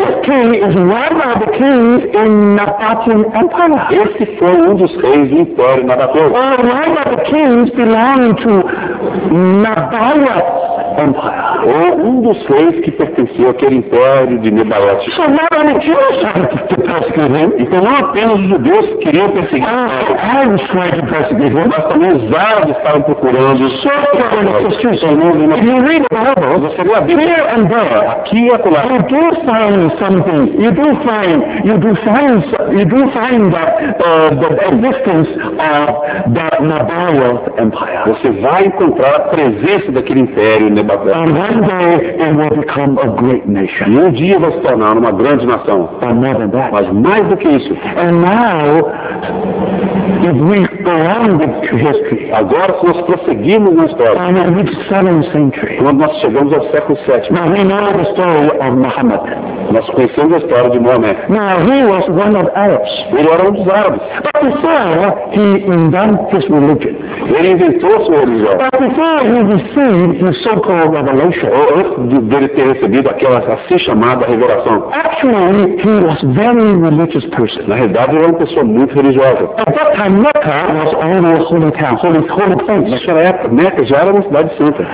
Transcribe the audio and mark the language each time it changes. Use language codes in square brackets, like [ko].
[en] This king is one of the kings in Nabatean Empire. [pt] Esse foi um dos reis do Império Nabateu. [en] One of the kings belonging to Nabaioth. [pt] Ou um dos reis que pertenciam àquele império de Nebaiote. [en] So not only Jews tried to persecute him. [pt] Então não apenas os judeus queriam perseguir. [en] I was trying to persecute him. [pt] Mas também os árabes estavam procurando. [en] So in the Bible, here and there, [pt] aqui e acolá, [en] you do find something. You do find that the existence of the Nabaioth Empire. [pt] Você vai encontrar a presença daquele império. [en] And one day it will become a great nation. [pt] E um dia vai se tornar uma grande nação. [en] But more than that. [pt] Mas mais do que isso. [en] And now, if we go on with history. [pt] Agora, se nós prosseguimos na história. [en] And in the 7th century. [pt] Quando nós chegamos ao século 7. [en] Now we know the story of Muhammad. [pt] Nós conhecemos a história de Maomé. [en] Now he was one of Arabs. [pt] Ele era um dos árabes. [en] But before he invented his religion. [pt] Ele inventou sua religião. [en] But before he received his so-called revelation. [pt] Antes dele ter recebido aquela assim chamada revelação. [en] Actually, he was a very religious person. [pt] Na realidade, ele era uma pessoa muito religiosa. [en] At that time, Mecca was only a holy town, holy place. [pt] Naquela época, Mecca já era uma cidade santa.